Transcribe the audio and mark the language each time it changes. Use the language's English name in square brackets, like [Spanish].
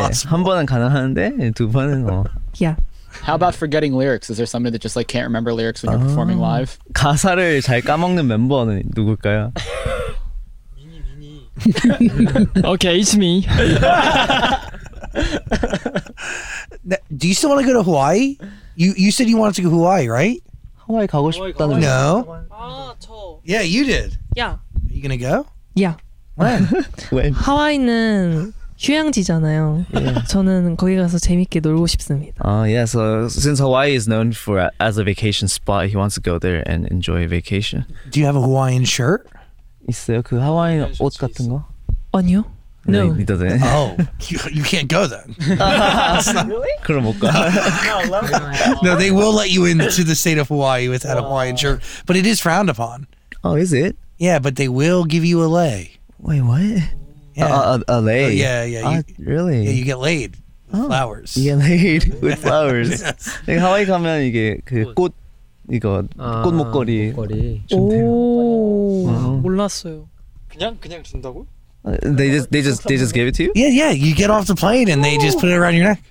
[English] possible. [Korean] 한 번은 가능한데 두 번은 뭐. [English] Yeah. How about forgetting lyrics? Is there somebody that just like can't remember lyrics when you're performing live? 가사를 잘 까먹는 멤버는 누굴까요? Okay, it's me. Do you still want to go to Hawaii? You said you wanted to go to Hawaii, right? [Korean] Hawaii 가고 싶다는 [English] No. Yeah, you did. Yeah. Are you gonna go? Yeah. When? [Korean] Hawaii는 휴양지잖아요. [English] Yeah. [Korean] 저는 거기 가서 재밌게 놀고 싶습니다. [English] Yeah, so since Hawaii is known for as a vacation spot, he wants to go there and enjoy a vacation. Do you have a Hawaiian shirt? [Korean] 있어요? 그 하와이안 옷 같은 거? 아니요. [English] No. He doesn't. Oh, you can't go then. Really? [Korean] 그럼 못 가. [English] No, they will let you into the state of Hawaii without a Hawaiian shirt, but it is frowned upon. Oh, is it? Yeah, but they will give you a lei. Wait, what? Yeah. Lei. Oh, yeah. Really? Yeah, you get laid. With flowers. You get laid with flowers. Yes. [Korean] 네, 하와이 가면 이게 그 꽃 이거 꽃 목걸이 준대요. 몰랐어요. 그냥 준다고? [English] They just gave it to you? Yeah. You get off the plane and they just put it around your neck.